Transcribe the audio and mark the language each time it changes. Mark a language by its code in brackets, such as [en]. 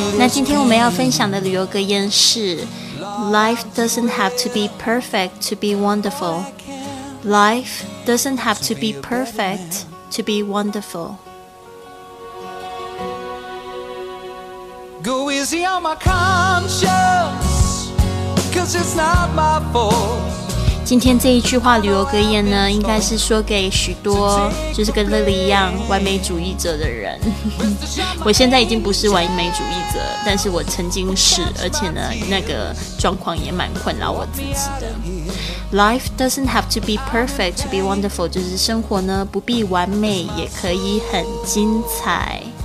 [zh] 那今天我们要分享的旅游格言是 [en] Life doesn't have to be perfect to be wonderful. Life doesn't have to be perfect to be wonderful. Go easy on my conscience, cause it's not my fault. [zh] 今天这一句话旅游格言呢，应该是说给许多就是跟乐乐一样完美主义者的人。我现在已经不是完美主义者，但是我曾经是，而且呢，那个状况也蛮困扰我自己的。 [en] Life doesn't have to be perfect to be wonderful， [zh] 就是生活呢不必完美，也可以很精彩。